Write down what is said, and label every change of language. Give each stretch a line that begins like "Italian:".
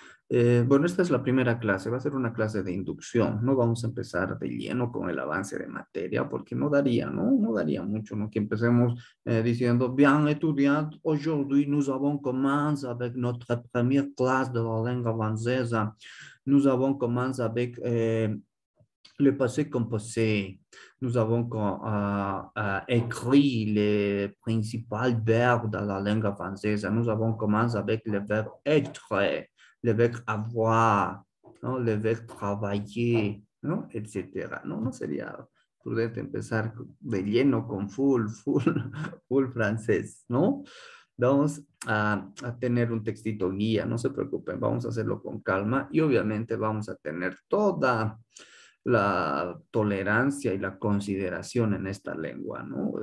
Spanish: Bueno, esta es la primera clase, va a ser una clase de inducción. No vamos a empezar de lleno con el avance de materia porque no daría, ¿no? No daría mucho, ¿no? Que empecemos diciendo, bien,
French: estudiant, aujourd'hui nous avons commencé avec notre première classe de la langue francesa. Nous avons commencé avec le passé composé. Nous avons écrit les principaux verbes de la langue française. Nous avons commencé avec le verbe être, le verbe avoir, ¿no? Le verbe travailler, ¿no? Etcétera.
Spanish: No, no sería prudente empezar de lleno con full francés, ¿no? Vamos a tener un textito guía, no se preocupen, vamos a hacerlo con calma y obviamente vamos a tener toda la tolerancia y la consideración en esta lengua, ¿no?